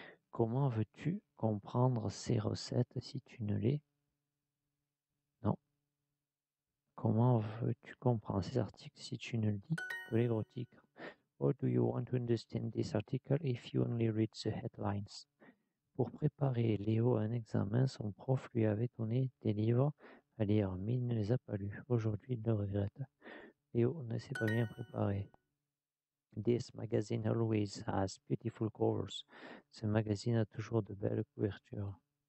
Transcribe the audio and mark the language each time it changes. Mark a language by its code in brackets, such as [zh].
[fr] Comment veux-tu comprendre ces recettes si tu ne les... Non. Comment veux-tu comprendre ces articles si tu ne lis que les gros titres? [en] How do you want to understand this article if you only read the headlines? [fr] Pour préparer Léo à un examen, son prof lui avait donné des livres à lire, mais il ne les a pas lus. Aujourd'hui, il le regrette. Léo ne s'est pas bien préparé. [en] This magazine always has beautiful covers. [fr] Ce magazine a toujours de belles couvertures.